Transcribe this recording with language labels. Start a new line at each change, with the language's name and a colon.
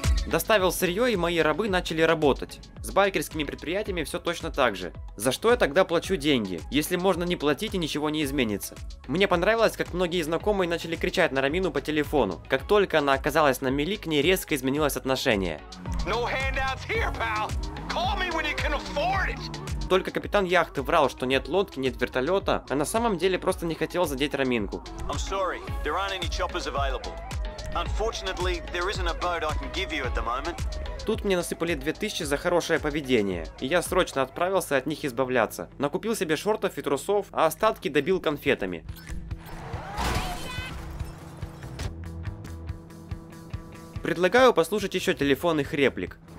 Russian: Доставил сырье, и мои рабы начали работать. С байкерскими предприятиями все точно так же. За что я тогда плачу деньги, если можно не платить и ничего не изменится? Мне понравилось, как многие знакомые начали кричать на Рамину по телефону. Как только она оказалась на мели, к ней резко изменилось отношение.
English: No handouts here, pal. Call me when you can afford it.
Russian: Только капитан яхты врал, что нет лодки, нет вертолета, а на самом деле просто не хотел задеть Раминку.
English: I'm sorry, there aren't any choppers available. Unfortunately, there isn't a boat I can give you at the moment.
Russian: Тут мне насыпали 2000 за хорошее поведение, и я срочно отправился от них избавляться. Накупил себе шортов и трусов, а остатки добил конфетами. предлагаю послушать еще телефонных реплик.